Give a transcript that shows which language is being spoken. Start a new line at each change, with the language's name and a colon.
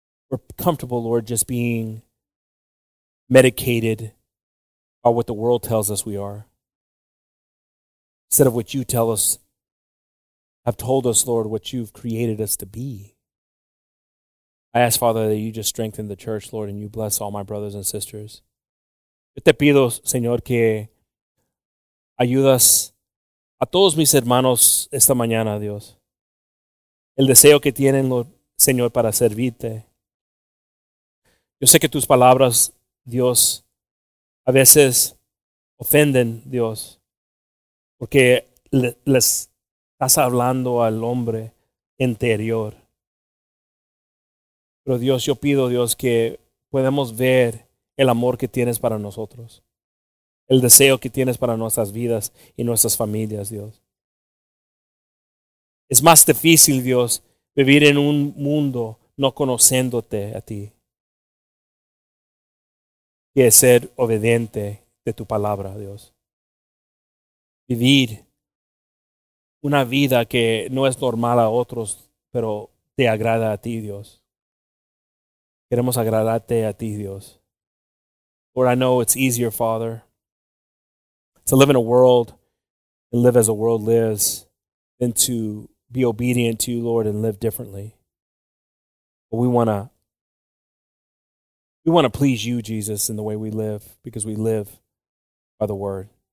English: We're comfortable, Lord, just being medicated or what the world tells us we are. instead of what you tell us, have told us, Lord, what you've created us to be. I ask, Father, that you just strengthen the church, Lord, and you bless all my brothers and sisters.
Spanish: Yo te pido, Señor, que ayudas a todos mis hermanos esta mañana, Dios. El deseo que tienen, Lord, Señor, para servirte. Yo sé que tus palabras, Dios, a veces ofenden, Dios, porque les estás hablando al hombre interior. Pero Dios, yo pido, Dios, que podamos ver el amor que tienes para nosotros, el deseo que tienes para nuestras vidas y nuestras familias, Dios. Es más difícil, Dios, vivir en un mundo no conociéndote a ti que ser obediente de tu palabra, Dios. Vivir una vida que no es normal a otros, pero te agrada a ti, Dios. Queremos agradarte a ti, Dios.
English: Lord, I know it's easier, Father, to live in a world and live as the world lives than to be obedient to you, Lord, and live differently. But we want to please you, Jesus, in the way we live, because we live by the word.